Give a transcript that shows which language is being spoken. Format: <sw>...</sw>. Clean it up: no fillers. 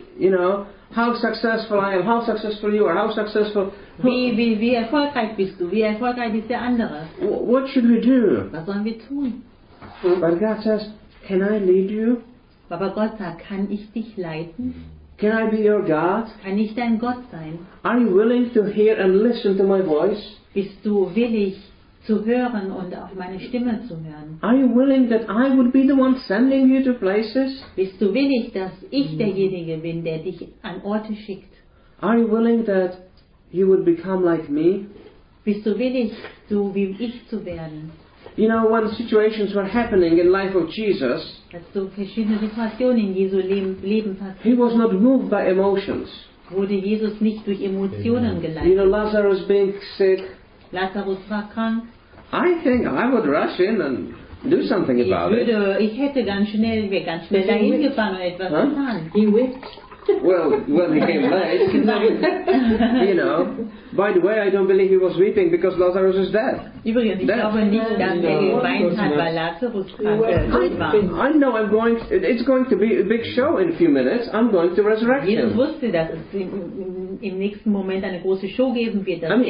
<en>You know, how successful I am, how successful you are, how successful...</en> <de>Wie erfolgreich bist du, wie erfolgreich ist der andere?</de> <en>What should we do?</en> <de>Was sollen wir tun?</de> <en>But God says, can I lead you?</en> <de>Aber Gott sagt, kann ich dich leiten?</de> <en>Can I be your God?</en> <de>Kann ich dein Gott sein?</de> <en>Are you willing to hear and listen to my voice?</en> <de>Bist du willig zu hören und auf meine Stimme zu hören?</de> <en>Are you willing that I would be the one sending you to places?</en> <de>Bist du willig, dass ich derjenige bin, der dich an Orte schickt?</de> <en>Are you willing that you would become like me?</en> <de>Bist du willig, so wie ich zu werden?</de> <en>You know, when situations were happening in life of Jesus, he was not moved by emotions.</en> <de>Wurde Jesus nicht durch Emotionen geleitet.</de> <en>You know, Lazarus being sick.</en> <de>Lazarus war krank.</de> <en>I think I would rush in and do something about it.</en> <de>Ich hätte ganz schnell dahin gefahren und etwas getan.</de> <en>He wept. Well, when he came late, you know. By the way, I don't believe he was weeping because Lazarus is dead.</en> <de>Übrigens, ich glaube nicht, dass er geweint hat, weil Lazarus krank war.</de> <en>I know I'm going. It's going to be a big show in a few minutes. I'm going to resurrect Jesus him.</en> <de>Jesus wusste, dass es im nächsten Moment eine große Show geben wird,</de>